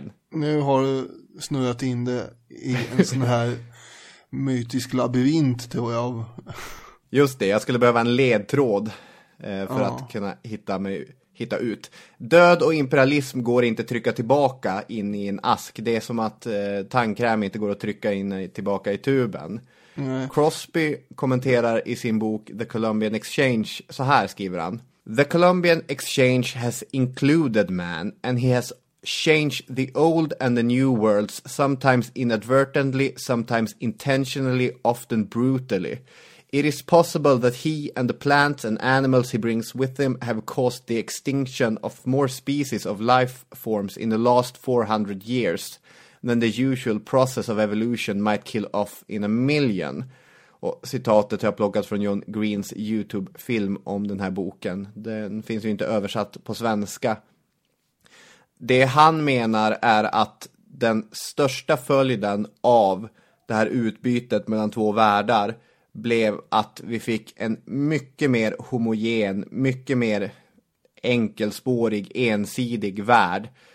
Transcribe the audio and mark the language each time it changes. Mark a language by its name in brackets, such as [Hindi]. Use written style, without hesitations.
[Swedish] Nu har du snurrat in det i en sån här mytisk labyrint, tror jag. Just det, jag skulle behöva en ledtråd för att kunna hitta ut. Död och imperialism går inte att trycka tillbaka in i en ask. Det är som att tandkräm inte går att trycka in tillbaka i tuben. Mm. Crosby kommenterar i sin bok The Columbian Exchange, så här skriver han: [English] "The Columbian Exchange has included man, and he has changed the old and the new worlds, sometimes inadvertently, sometimes intentionally, often brutally. It is possible that he and the plants and animals he brings with him have caused the extinction of more species of life forms in the last 400 years than the usual process of evolution might kill off in a million." [Swedish] Och citatet har jag plockat från John Greens YouTube-film om den här boken. Den finns ju inte översatt på svenska. Det han menar är att den största följden av det här utbytet mellan två världar blev att vi fick en mycket mer homogen, mycket mer enkelspårig, ensidig värld.